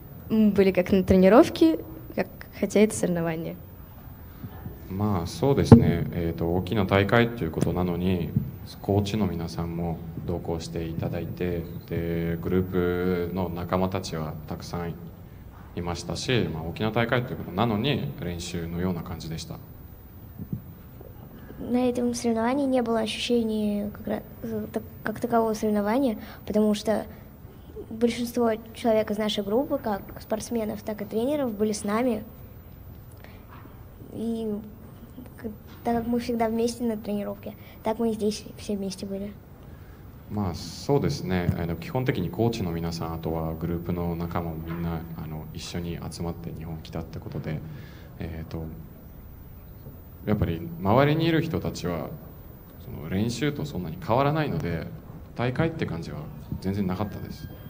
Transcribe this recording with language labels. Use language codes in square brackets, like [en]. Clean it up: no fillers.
[ru] Мы были как на тренировке, как хотя это соревнование. [ja] まあそうですね、大きな大会ということなのにコーチの皆さんも同行していただいて、でグループの仲間たちはたくさんいましたし、まあ、大きな大会ということなのに練習のような感じでした。 [ru] На этом соревновании не было ощущения как такового соревнования, потому что большинство человек из нашей группы, как спортсменов, так и тренеров, были с нами. И... так как мы всегда вместе на тренировке, так мы здесь все вместе были. [ja] まあそうですね。基本的にコーチの皆さん、あとはグループの仲間もみんな一緒に集まって日本に来たってことで、やっぱり周りにいる人たちはその練習とそんなに変わらないので、大会って感じは全然なかったです。